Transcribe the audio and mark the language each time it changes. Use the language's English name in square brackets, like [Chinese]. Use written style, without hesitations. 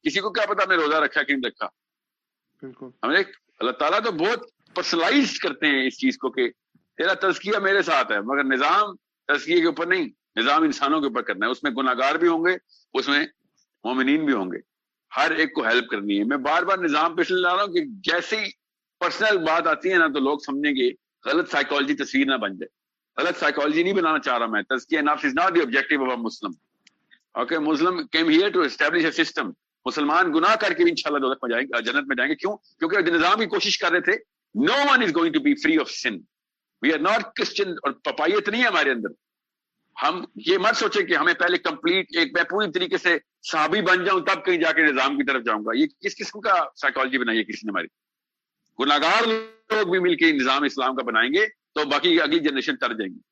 [Urdu] کسی کو کیا پتا میں روزہ رکھا کہ نہیں رکھا. ہمیں اللہ تعالیٰ تو بہت پرسنلائز کرتے ہیں اس چیز کو کہ تیرا تزکیہ میرے ساتھ ہے, مگر نظام تزکیہ کے اوپر نہیں, نظام انسانوں کے اوپر کرنا ہے. اس میں گناہگار بھی ہوں گے, اس میں مومنین بھی ہوں گے, ہر ایک کو ہیلپ کرنی ہے. میں بار بار نظام پیش لا رہا ہوں کہ جیسی پرسنل بات آتی ہے نا تو لوگ سمجھیں گے, غلط سائیکالوجی تصویر نہ بن جائے. غلط سائیکالوجی نہیں بنانا چاہ رہا میں. [English] تزکیہ نفس is not the objective of a Muslim. Okay, Muslim came here to establish a system. [Urdu] مسلمان گناہ کر کے بھی انشاءاللہ دوزخ میں جائیں گے, جنت میں جائیں گے. کیوں؟ کیونکہ نظام کی کوشش کر رہے تھے. [English] No one is going to be free of sin. We are not Christian, [Urdu] اور پپائیت نہیں ہے ہمارے اندر. ہم یہ مت سوچیں کہ ہمیں پہلے کمپلیٹ ایک میں پوری طریقے سے صحابی بن جاؤں تب کہیں جا کے نظام کی طرف جاؤں گا. یہ کس قسم کا سائیکالوجی بنائی ہے کسی نے ہماری؟ گناہگار لوگ بھی مل کے نظام اسلام کا بنائیں گے تو باقی اگلی جنریشن تر جائیں گی.